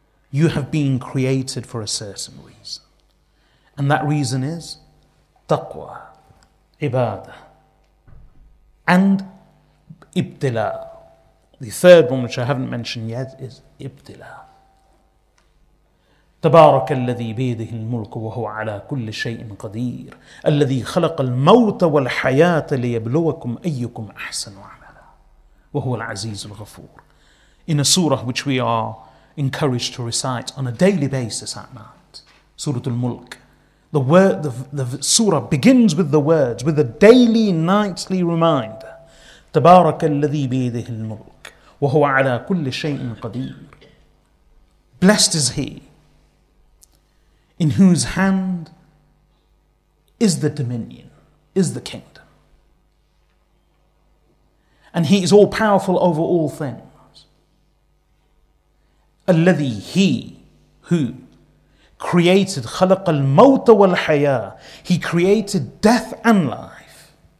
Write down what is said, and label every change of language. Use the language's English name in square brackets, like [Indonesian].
[English] You have been created for a certain reason. And that reason is taqwa, ibadah, and ibtila. The third one, which I haven't mentioned yet, is ibtila. [Arabic] تبارك الذي بيده الملك وهو على كل شيء قدير الذي خلق الموت والحياة ليبلوكم أيكم أحسن عملا وهو العزيز الغفور. [English] In a surah which we are encouraged to recite on a daily basis at night, Surah Al-Mulk. The surah begins with the words, with a daily, nightly reminder. [Arabic] تبارك الذي بيده الملك وهو على كل شيء قدير. [English] Blessed is he in whose hand is the dominion, is the kingdom. And he is all powerful over all things. [Arabic] الذي [English] he who created [Arabic] خلق الموت والحياة, [English] he created death and life.